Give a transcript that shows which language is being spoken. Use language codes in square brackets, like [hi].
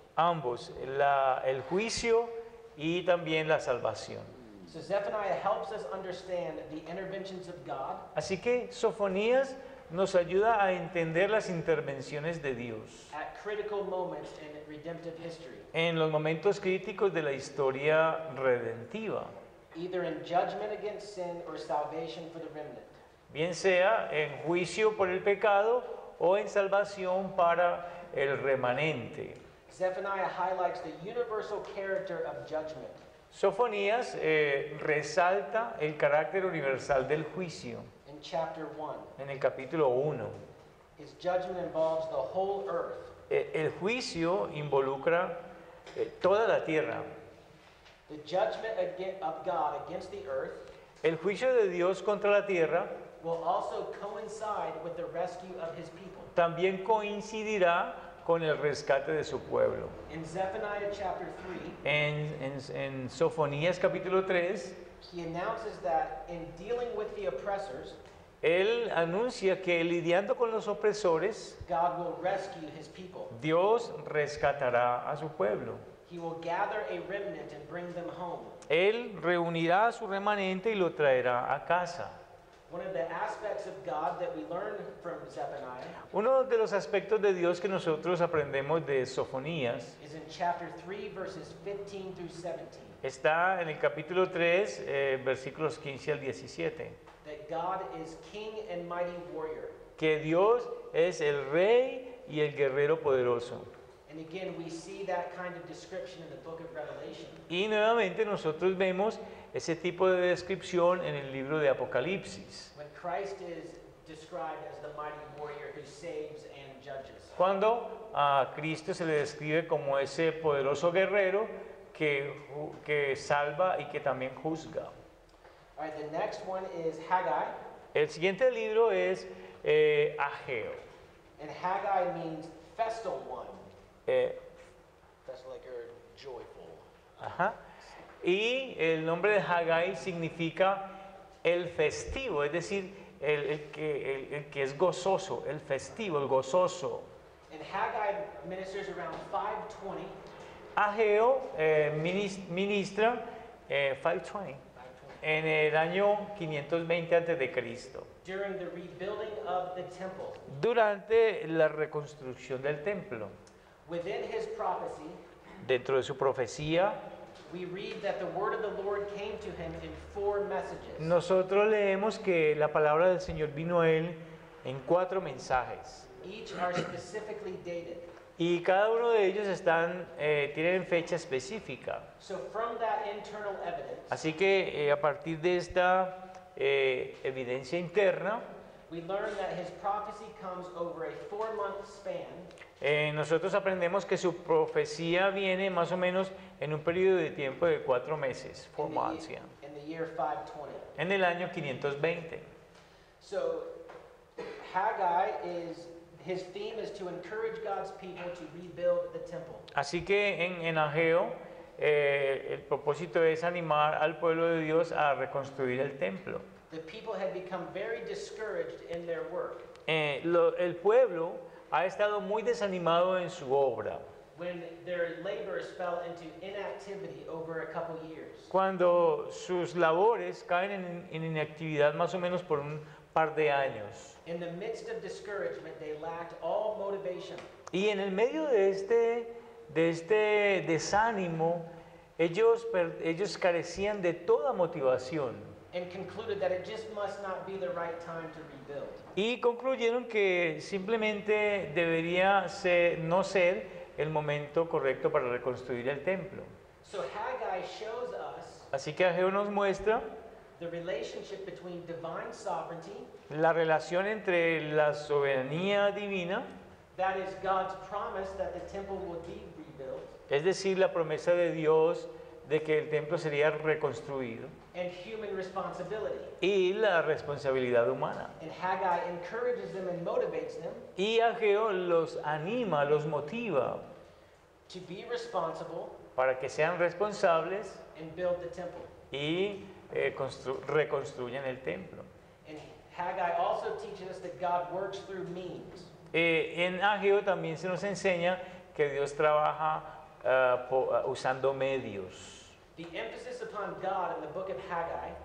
[es] Ambos, el juicio y también la salvación. [en] So Zephaniah helps us understand the interventions of God. [es] Así que Sofonías nos ayuda a entender las intervenciones de Dios [en] at critical moments in redemptive history. [es] En los momentos críticos de la historia redentiva. [en] Either in judgment against sin or salvation for the remnant. [es] Bien sea en juicio por el pecado o en salvación para el remanente. [en] Zephaniah highlights the universal character of judgment. [es] Sofonías resalta el carácter universal del juicio. [en] Chapter 1. [es] En el capítulo 1. [en] His judgment involves the whole earth. [es] El juicio involucra toda la tierra. [en] The judgment of God against the earth. [es] El juicio de Dios contra la tierra [en] will also coincide with the rescue of his people. [es] También coincidirá con el rescate de su pueblo. [en] In Zephaniah chapter 3, [es] en Sofonías capítulo 3, [en] he announces that in dealing with the oppressors, [es] él anuncia que lidiando con los opresores, [en] God will rescue his people. [es] Dios rescatará a su pueblo. [en] He will gather a remnant and bring them home. [es] Él reunirá a su remanente y lo traerá a casa. [en] One of the aspects of God that we learn from Zephaniah, [es] uno de los aspectos de Dios que nosotros aprendemos de Sofonías, [en] is in chapter 3, verses 15 through 17. [es] Está en el capítulo 3, versículos 15 al 17. [en] That God is king and mighty warrior. [es] Que Dios es el rey y el guerrero poderoso. [en] And again, we see that kind of description in the book of Revelation. [es] Y nuevamente nosotros vemos ese tipo de descripción en el libro de Apocalipsis. [en] When Christ is described as the mighty warrior who saves and judges. [es] Cuando a Cristo se le describe como ese poderoso guerrero que salva y que también juzga. [en] All right, the next one is Haggai. [es] El siguiente libro es Ageo. [en] And Haggai means festal one. Festal, like you're joyful. Ajá. [es] Y el nombre de Haggai significa el festivo, es decir, el que es gozoso, el festivo, el gozoso. [en] And Haggai ministers around 520. [es] Ageo ministra 520. En el año 520 antes de Cristo. [en] During the rebuilding of the temple. [es] Durante la reconstrucción del templo. [en] Within his prophecy, [es] dentro de su profecía, [en] we read that the word of the Lord came to him in four messages. [es] Nosotros leemos que la palabra del Señor vino a él en cuatro mensajes. [en] Each are specifically dated. [es] Y cada uno de ellos están tienen fecha específica. [en] So from that internal evidence, [es] así que a partir de esta evidencia interna, [en] we learn that his prophecy comes over a 4-month span. [es] Nosotros aprendemos que su profecía viene más o menos en un periodo de tiempo de 4 meses, [en] 4 months. Year, in the year 520. [es] En el año 520. [en] So Haggai is. His theme is to encourage God's people to rebuild the temple. [es] Así que en Ageo, el propósito es animar al pueblo de Dios a reconstruir el templo. [en] The people had become very discouraged in their work. [es] El pueblo ha estado muy desanimado en su obra. [en] When their labors fell into inactivity over a couple years. [es] Cuando sus labores caen en inactividad más o menos por un par de años. [en] In the midst of discouragement, they lacked all motivation. [es] Y en el medio de este desánimo, ellos carecían de toda motivación. [en] And concluded that it just must not be the right time to rebuild. [es] Y concluyeron que simplemente debería no ser el momento correcto para reconstruir el templo. [en] So Haggai shows us. [es] Así que Ageo nos muestra [en] the relationship between divine sovereignty, [es] la relación entre la soberanía divina, [en] that is God's promise that the temple will be rebuilt, [es] es decir, la promesa de Dios de que el templo sería reconstruido, [en] and human responsibility, [es] y la responsabilidad humana. [en] And Haggai encourages them and motivates them, [es] y Ageo los anima, los motiva [en] to be responsible, [es] para que sean responsables, [en] and build the temple. [es] Y reconstruyen el templo. [en] And Haggai also teaches us that God works through means. [es] En Ageo también se nos enseña que Dios trabaja usando medios. [en] The emphasis upon God in the book of Haggai,